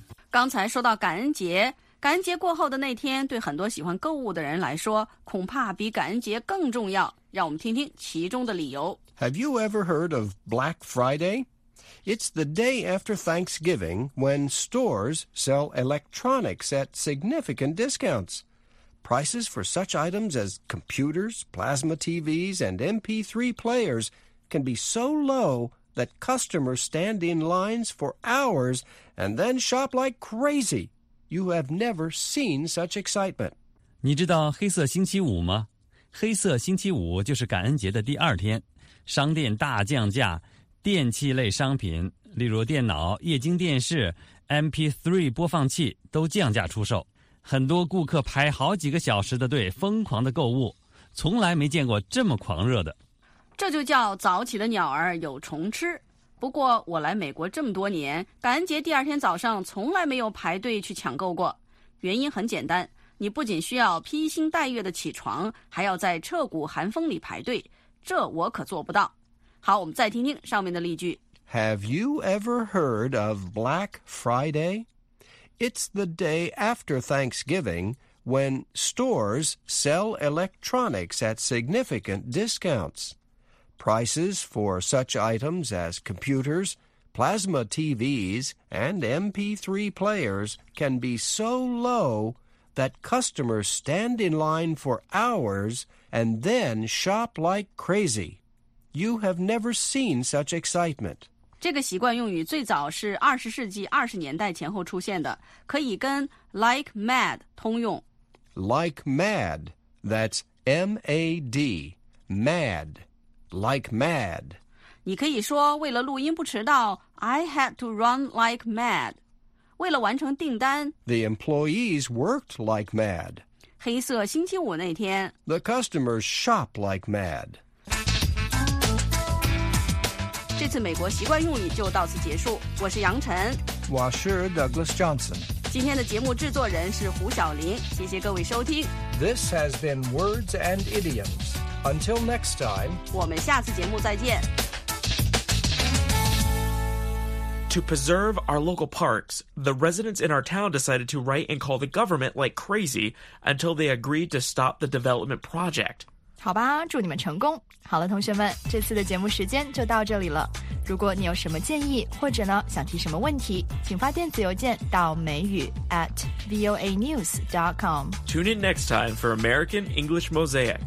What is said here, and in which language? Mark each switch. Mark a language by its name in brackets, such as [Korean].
[Chinese] 刚才说到感恩节，感恩节过后的那天对很多喜欢购物的人来说恐怕比感恩节更重要，让我们听听其中的理由。 [English] Have you ever heard of Black Friday? It's the day after Thanksgiving when stores sell electronics at significant discounts. Prices for such items as computers, plasma TVs, and MP3 players can be so low that customers stand in lines for hours and then shop like crazy. You have never seen such excitement. [Chinese] 你知道黑色星期五吗？黑色星期五就是感恩节的第二天，商店大降价，电器类商品，例如电脑、液晶电视、MP3 播放器都降价出售。很多顾客排好几个小时的队，疯狂的购物，从来没见过这么狂热的。这就叫早起的鸟儿有虫吃。不过我来美国这么多年，感恩节第二天早上从来没有排队去抢购过。原因很简单，你不仅需要披星戴月的起床，还要在彻骨寒风里排队，这我可做不到。好，我们再听听上面的例句。 [English] Have you ever heard of Black Friday? It's the day after Thanksgiving when stores sell electronics at significant discounts. Prices for such items as computers, plasma TVs, and MP3 players can be so low that customers stand in line for hours and then shop like crazy. You have never seen such excitement. [Chinese] 这个习惯用语最早是20世纪20年代前后出现的，可以跟 like mad 通用。 [English] Like mad, that's M-A-D, mad. Like mad. [Chinese] 你可以说为了录音不迟到 [English] I had to run like mad. [Chinese] 为了完成订单 [English] The employees worked like mad. [Chinese] 黑色星期五那天 [English] The customers shop like mad. [Chinese] 这次美国习惯用语就到此结束，我是杨晨，我是 Douglas Johnson. 今天的节目制作人是胡晓林，谢谢各位收听。 [English] This has been Words and Idioms. Until next time, [Chinese] 我们下次节目再见。 [English] To preserve our local parks, the residents in our town decided to write and call the government like crazy until they agreed to stop the development project. [Chinese] 好吧，祝你们成功。好了，同学们，这次的节目时间就到这里了。如果你有什么建议，或者呢想提什么问题，请发电子邮件到美语@voanews.com. [English] Tune in next time for American English Mosaic.